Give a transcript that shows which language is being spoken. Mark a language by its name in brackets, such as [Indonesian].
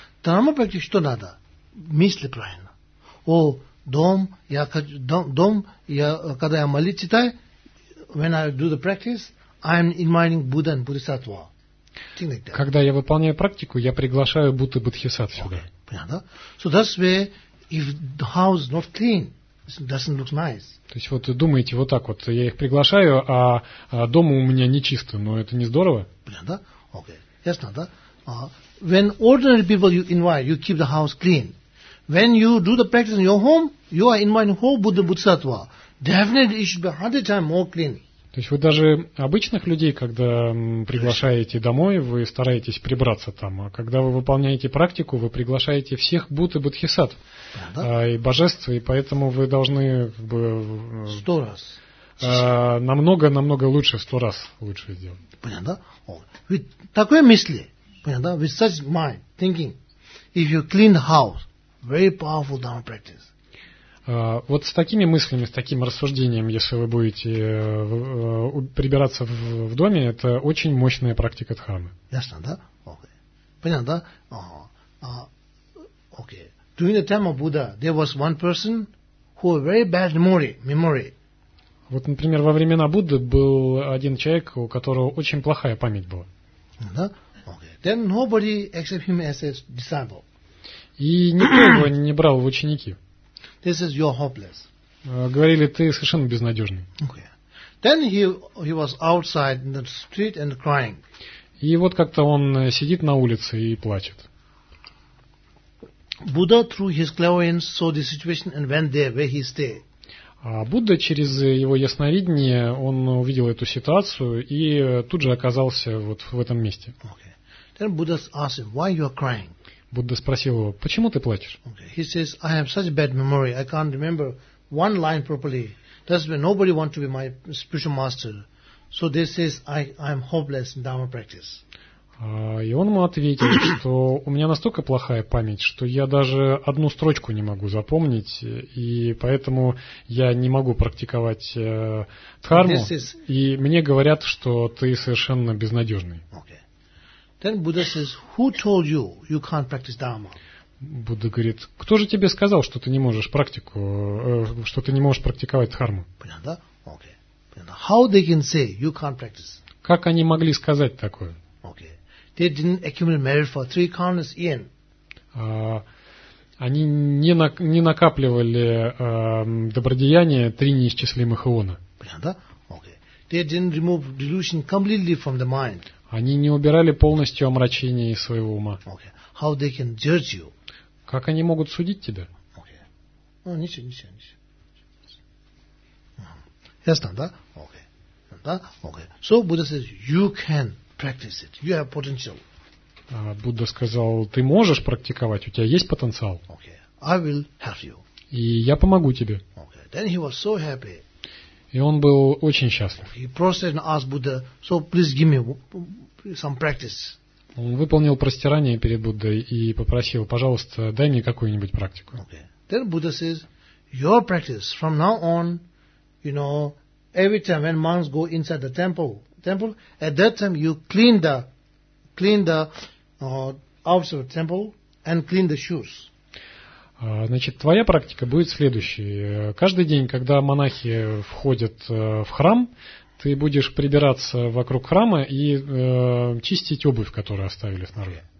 [Russian] Дхарма практика, что надо? Мысли правильно. О, дом, я, когда я молитву читаю, [English] when I do the practice, I'm inviting Buddha and Bodhisattva. Like that. [Russian] Когда я выполняю практику, я приглашаю Будды Бодхисаттву сюда. Okay. Понятно? [English] So that's where, if the house is not clean, it doesn't look nice. [Russian] То есть вот думаете вот так вот, я их приглашаю, а дома у меня нечисто, но это не здорово? Понятно? Okay. Ясно, да? [English] When ordinary people you invite, you keep the house clean. When you do the practice in your home, you are inviting whole Buddha Bodhisattva. Definitely, it should be 100 times more clean. [Russian] То есть вы даже обычных людей, когда приглашаете домой, вы стараетесь прибраться там, а когда вы выполняете практику, вы приглашаете всех Будд и Бодхисаттв, и божеств, и поэтому вы должны как бы 100 раз намного лучше, 100 раз лучше сделать. Понятно? Вы такой мысли, понятно? [English] With such mind thinking, if you clean the house. Very powerful dharma practice. [Russian] Вот с такими мыслями, с таким рассуждением, если вы будете прибираться в доме, это очень мощная практика дхармы. Ясно, да? Okay. Понятно, да? Okay. [English] During the time of Buddha, there was one person who had very bad memory. [Russian] Вот, например, во времена Будды был один человек, у которого очень плохая память была. [English] Да? Okay. Then nobody accepted him as a disciple. [Russian] И никто его не брал в ученики. [English] This is your hopeless. [Russian] Говорили, ты совершенно безнадежный. [English] Okay. Then he was outside in the street and crying. [Russian] И вот как-то он сидит на улице и плачет. [English] Buddha through his clairvoyance saw the situation and went there where he stay. [Russian] А Будда через его ясновидение он увидел эту ситуацию и тут же оказался вот в этом месте. [English] Okay. Then Buddha asked him, why you are crying? [Russian] Будда спросил его, почему ты плачешь? [English] Okay. He says, I have such bad memory, I can't remember one line properly. That's why nobody wants to be my spiritual master. So they says, I am hopeless in Dharma practice. [Russian] И он ему ответил, что у меня настолько плохая память, что я даже одну строчку не могу запомнить, и поэтому я не могу практиковать дхарму, и мне говорят, что ты совершенно безнадежный. [English] Okay. Then Buddha says, who told you you can't practice dharma? [Russian] Будда говорит, кто же тебе сказал, что ты не можешь практиковать дхарму? [English] Понятно? Okay. How they can say you can't practice? [Russian] Как они могли сказать такое? [English] Okay. They didn't accumulate merit for three countless yen. [Russian] Они не накапливали добродеяния три неисчислимых иона. Понятно? Okay. [English] They didn't remove delusion completely from the mind. [Russian] Они не убирали полностью омрачение из своего ума. [English] Okay. How they can judge you? [Russian] Как они могут судить тебя? Okay. Ну, ничего. [English] Ясно, да? Okay. Да? Okay. So Buddha says, you can practice it. You have potential. [Russian] Будда сказал, ты можешь практиковать, у тебя есть потенциал. [English] Okay. I will help you. [Russian] И я помогу тебе. [English] Okay. Then he was so happy. [Russian] И он был очень счастлив. [English] He prostrated and asked Buddha, so please give me some practice. [Russian] Он выполнил простирание перед Буддой и попросил, пожалуйста, дай мне какую-нибудь практику. [English] Okay. Then Buddha says, your practice from now on, you know, every time when monks go inside the temple, at that time you clean the outside of the temple and clean the shoes. [Russian] Значит, твоя практика будет следующей. Каждый день, когда монахи входят в храм, ты будешь прибираться вокруг храма и чистить обувь, которую оставили снаружи.